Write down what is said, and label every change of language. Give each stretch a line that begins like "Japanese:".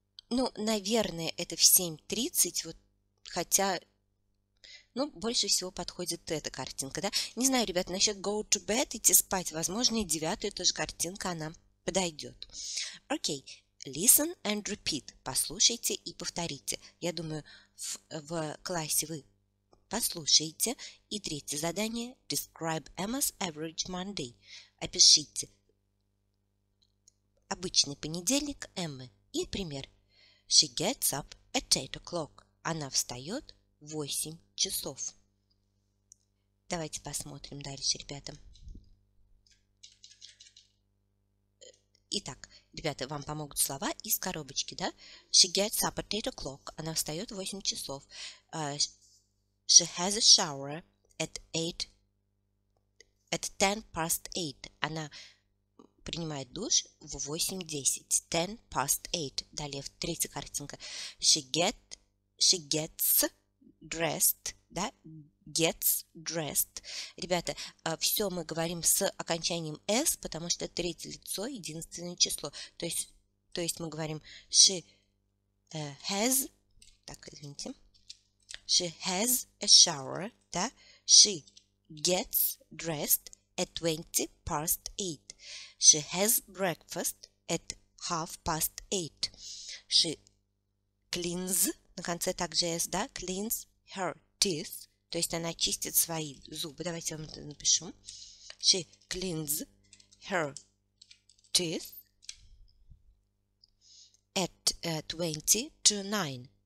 Russian: Ну, наверное, это в 7:30, вот, хотя... Ну, больше всего подходит эта картинка, да? Не знаю, ребята, насчет
English: go to bed,
Russian: идти спать, возможно, и девятая тоже картинка, она подойдет.
English: Окей, listen and repeat.
Russian: Послушайте и повторите. Я думаю, в классе вы послушаете. И третье задание.
English: Describe Emma's average Monday.
Russian: Опишите обычный понедельник Эммы. И пример.
English: She gets up at 8 o'clock.
Russian: Она встает 8 часов. Давайте посмотрим дальше, ребята. Итак, ребята, вам помогут слова из коробочки, да?
English: She gets up at 8 o'clock.
Russian: Она встает в 8 часов.
English: She has a shower at 10 past 8.
Russian: Она принимает душ в 8:10.
English: 10 past 8.
Russian: Далее, третья картинка.
English: She gets dressed, да, gets dressed.
Russian: Ребята, все мы говорим с окончанием s, потому что третье лицо – единственное число. То есть мы говорим
English: she has,
Russian: так, извините,
English: she has a shower, да, she gets dressed at 20 past 8. She has breakfast at half past 8. She cleans,
Russian: на конце также s, да,
English: cleans her teeth,
Russian: то есть она чистит свои зубы. Давайте я вам это напишу.
English: She cleans her teeth at 20 to 9.